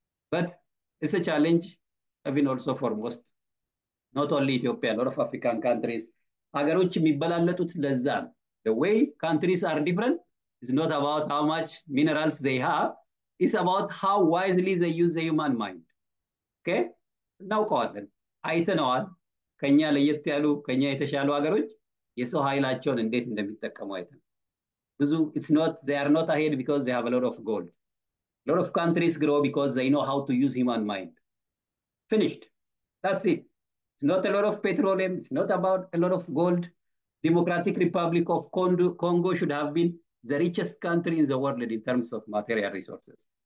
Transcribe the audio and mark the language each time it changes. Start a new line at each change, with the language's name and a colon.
English: But it's a challenge, I mean, also for most, not only Ethiopia, a lot of African countries.
Amharic: Agaruch mibbalallatut lezzan.
English: The way countries are different is not about how much minerals they have. It's about how wisely they use the human mind. Okay? Now, Gordon.
Amharic: አይተነዋል ከኛ ለየት ያሉ ከኛ የተሻሉ ሀገሮች የሰው ኃይላቸውን እንዴት እንደሚጠቀሙ አይተነዋል። ብዙ
English: they are not ahead because they have a lot of gold. A lot of countries grow because they know how to use human mind. Finished. That's it. It's not a lot of petroleum. It's not about a lot of gold. Democratic Republic of Congo should have been the richest country in the world in terms of material resources.